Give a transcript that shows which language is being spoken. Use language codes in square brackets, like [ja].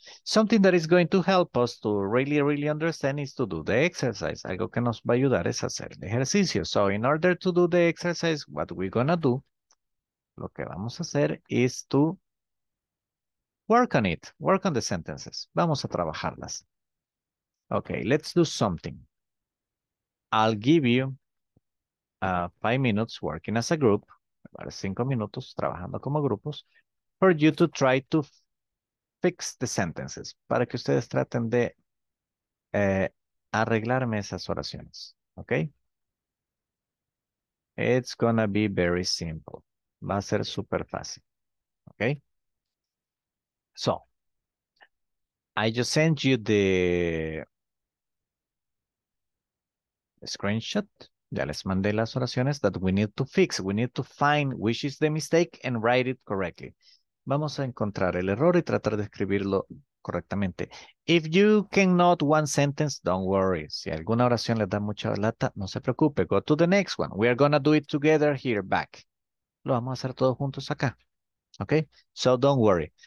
[en] Something that is going to help us to really, really understand is to do the exercise. [es] Algo que nos va a ayudar es hacer el ejercicio. [en] So in order to do the exercise, what we're going to do, [es] lo que vamos a hacer [en] is to work on it. Work on the sentences. [es] Vamos a trabajarlas. [en] Okay, let's do something. I'll give you 5 minutes working as a group. [es] Para 5 minutos trabajando como grupos, [en] for you to try to fix the sentences, [es] para que ustedes traten de arreglarme esas oraciones, ¿ok? [en] It's gonna be very simple. [es] Va a ser súper fácil, [en] ¿ok? So, I just sent you the screenshot. [es] Ya les mandé las oraciones [en] that we need to fix. We need to find which is the mistake and write it correctly. [es] Vamos a encontrar el error y tratar de escribirlo correctamente. [en] If you cannot one sentence, don't worry. [es] Si alguna oración les da mucha lata, no se preocupe. [en] Go to the next one. We are going to do it together here back. [es] Lo vamos a hacer todos juntos acá. [en] Okay? So don't worry.